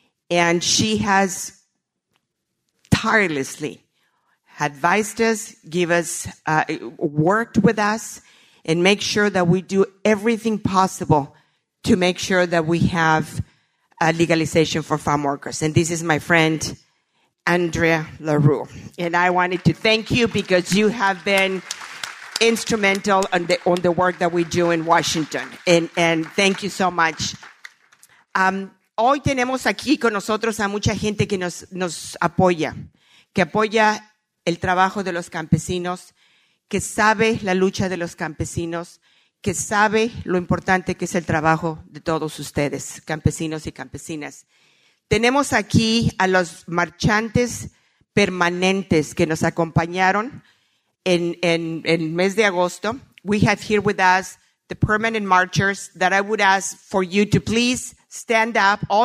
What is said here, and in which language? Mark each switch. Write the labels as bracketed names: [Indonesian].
[English] And she has tirelessly advised us, worked with us, and make sure that we do everything possible to make sure that we have a legalization for farm workers. And this is my friend, Andrea LaRue. And I wanted to thank you because you have been instrumental on the work that we do in Washington. And thank you so much. [Spanish] Hoy tenemos aquí con nosotros a mucha gente que nos apoya, que apoya el trabajo de los campesinos, que sabe la lucha de los campesinos, que sabe lo importante que es el trabajo de todos ustedes, campesinos y campesinas. Tenemos aquí a los marchantes permanentes que nos acompañaron en el mes de agosto. [English] We have here with us the permanent marchers that I would ask for you to please stand up.